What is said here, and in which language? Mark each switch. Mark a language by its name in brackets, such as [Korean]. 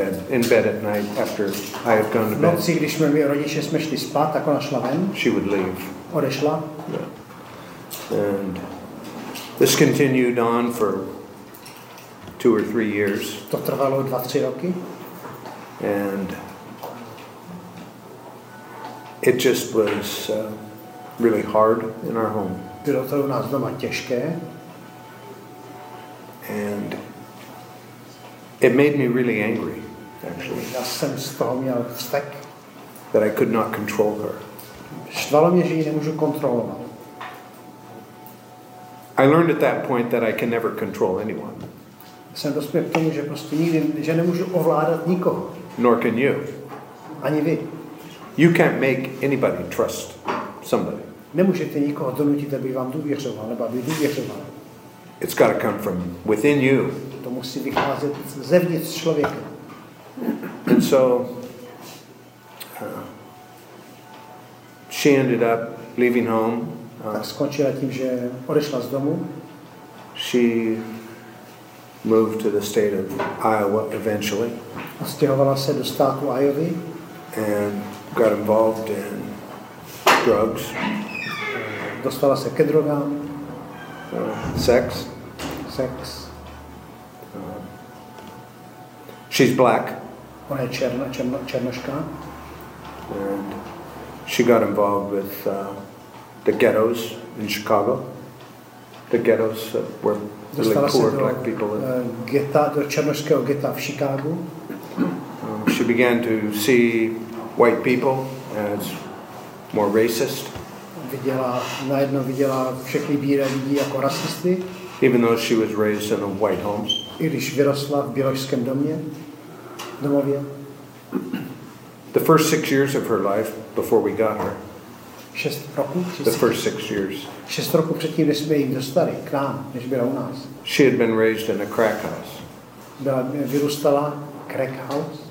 [English] In bed at night after I had gone to bed. [Czech] Noci, když my rodiče jsme šli spát, tak ona šla ven. [English] She would leave. [Czech] Odešla. [English] Yeah. And this continued on for 2 or 3 years. [Czech] To trvalo 2-3 roky. [English] And it just was really hard in our home. [Czech] Bylo to u nás doma těžké. [English] And it made me really angry, actually. [Czech] Já jsem z toho měl vztek. [English] That I could not control her. [Czech] Štvalo mě, že ji nemůžu kontrolovat. [English] I learned at that point that I can never control anyone. [Czech] Jsem dospěl k tomu, že prostě nikdy, že nemůžu ovládat nikoho. [English] Nor can you. [Czech] Ani vy. [English] You can't make anybody trust somebody. [Czech] Nemůžete nikoho donutit, aby vám důvěřoval, nebo aby důvěřoval. [English] It's got to come from within you. [Czech] To musí vycházet zevnitř člověka. [English] And so she ended up leaving home. [Czech] Tak skončila tím, že odešla z domu. [English] She moved to the state of Iowa eventually. [Czech] Odstěhovala se do státu Iowa. [English] And got involved in drugs. [Czech] Dostala se ke drogám. [English] Sex. [Czech] Sex. [English] She's black. [Czech] Ona je černá, černá, černoška. [English] And she got involved with the ghettos in Chicago. The ghettos were really poor black people. [Czech] Getta, do černoského getta v Chicagu. [English] She began to see white people as more racist. [Czech] Viděla, najednou viděla všechny bílé lidi jako rasisty. [English] Even though she was raised in a white home. [Czech] I když vyrostla v bělošském domě, domově. [English] The first 6 years of her life before we got her. [Czech] Šest roku, [English] the first 6 years. [Czech] Šest roku předtím, než jsme jí dostali k nám, než byla u nás. [English] She had been raised in a crack house. [Czech] Byla vyrůstala crack house.